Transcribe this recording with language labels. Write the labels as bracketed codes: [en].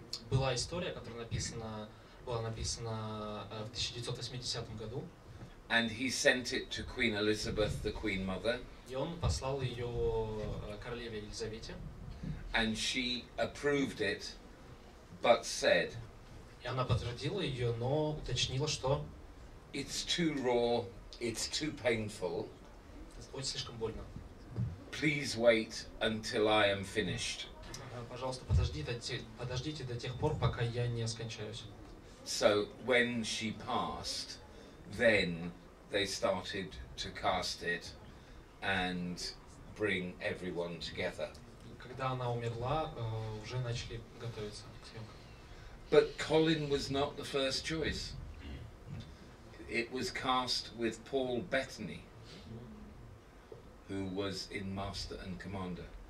[ru] Была история, которая была написана в 1980 году. [en] And he sent it to Queen Elizabeth, the Queen Mother. [ru] И он послал ее королеве Елизавете. [en] And she approved it but said. [ru] И она подтвердила ее, но уточнила, что. [en] It's too raw. It's too painful. [ru] Будет слишком больно. [en] Please wait until I am finished. [ru] Пожалуйста, подождите до тех пор, пока я не скончаюсь. [en] So when she passed, then they started to cast it and bring everyone together. [ru] Когда она умерла, уже начали готовиться к съемкам. [en] But Colin was not the first choice. It was cast with Paul Bettany, who was in Master and Commander.